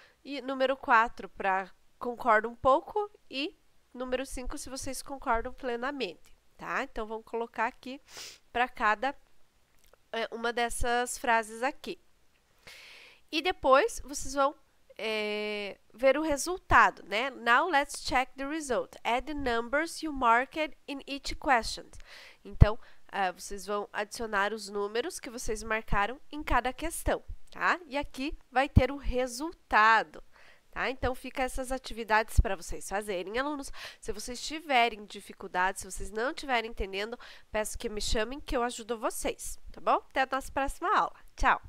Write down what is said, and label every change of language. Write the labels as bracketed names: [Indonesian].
[Portuguese] E número 4 para concordo um pouco e número 5 se vocês concordam plenamente, tá? Então, vamos colocar aqui para cada uma dessas frases aqui. E depois, vocês vão ver o resultado, né? [English] Now let's check the result. Add the numbers you marked in each question. [Portuguese] Então, vocês vão adicionar os números que vocês marcaram em cada questão, tá? E aqui vai ter o resultado, tá? Então, fica essas atividades para vocês fazerem, alunos. Se vocês tiverem dificuldades, se vocês não estiverem entendendo, peço que me chamem que eu ajudo vocês, tá bom? Até a nossa próxima aula. Tchau!